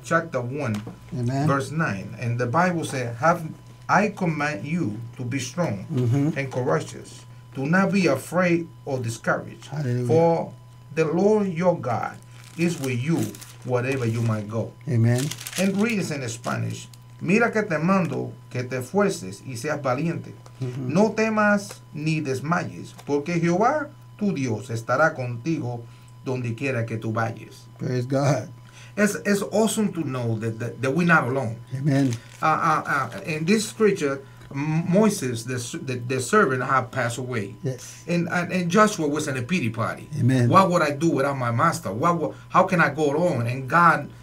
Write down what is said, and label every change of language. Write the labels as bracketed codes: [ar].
[en] Chapter 1, amen. Verse 9. And the Bible says, "Have I command you to be strong, mm-hmm, and courageous. Do not be afraid or discouraged. Hallelujah. For the Lord your God is with you wherever you might go." Amen. And read this in Spanish. [es] Mira que te mando que te fuerces y seas valiente. Mm-hmm. No temas ni desmayes, porque Jehová tu Dios estará contigo donde quiera que tú vayas. [en] Praise God. It's awesome to know that we're not alone. Amen. In this scripture, Moses, the servant, have passed away. Yes. And Joshua was in a pity party. Amen. What would I do without my master? How can I go on? And God